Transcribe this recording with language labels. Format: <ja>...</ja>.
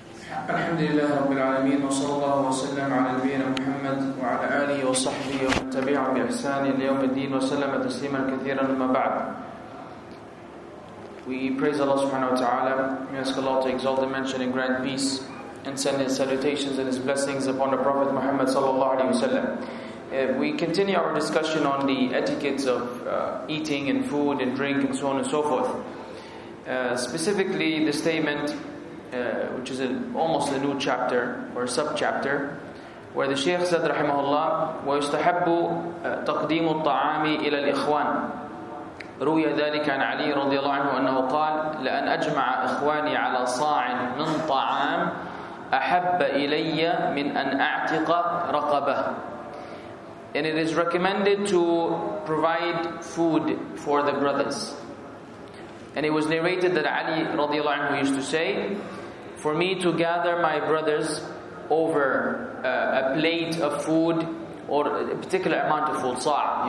<ar>الحمد لله رب العالمين وصلى الله وسلم على نبينا محمد وعلى آله وصحبه ومن تبعهم بإحسان إلى يوم الدين وسلم تسليما كثيرا أما بعد.</ar> <en>We praise Allah subhanahu wa ta'ala. We ask Allah to exalt and mention and grant peace and send His salutations and His blessings upon the Prophet Muhammad sallallahu alayhi wa sallam. We continue our discussion on the etiquettes of eating and food and drink and so on and so forth. Specifically the statement which is almost a new chapter or sub-chapter where the Shaykh said rahimahullah</en> <ar>وَيُسْتَحَبُّ تَقْدِيمُ الطَّعَامِ إِلَى الْإِخْوَانِ رُوِيَ ذَلِكَ عَنْ عَلِيٍّ رضي الله عنه أنه قال لَأَنْ أَجْمَعَ إِخْوَانِي عَلَى صَاعٍ مِنْ طَعَامٍ أَحَبَّ إِلَيَّ مِنْ أَنْ أَعْتِقَ رَقَبَهُ.</ar> <en>And it is recommended to provide food for the brothers. And it was narrated that Ali radiallahu anhu used to say, for me to gather my brothers over a plate of food or a particular amount of food, sa'.</en>